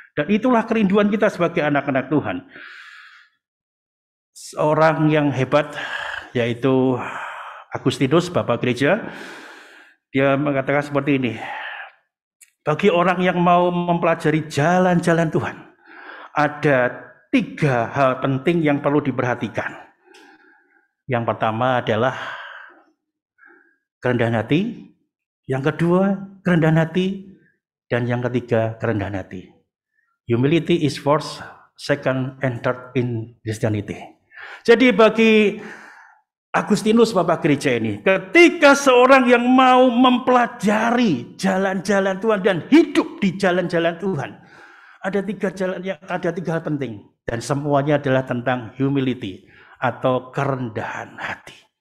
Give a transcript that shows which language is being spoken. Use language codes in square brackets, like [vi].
[id] Dan itulah kerinduan kita sebagai anak-anak Tuhan. Seorang yang hebat, yaitu Agustinus, Bapak Gereja, dia mengatakan seperti ini, bagi orang yang mau mempelajari jalan-jalan Tuhan, ada 3 hal penting yang perlu diperhatikan. Yang pertama adalah kerendahan hati. Yang kedua, kerendahan hati. Dan yang ketiga, kerendahan hati. [en] Humility is first, second, and third in Christianity. [id] Jadi bagi Agustinus, Bapak Gereja ini, ketika seorang yang mau mempelajari jalan-jalan Tuhan dan hidup di jalan-jalan Tuhan, ada tiga hal penting. Dan semuanya adalah tentang humility atau kerendahan hati.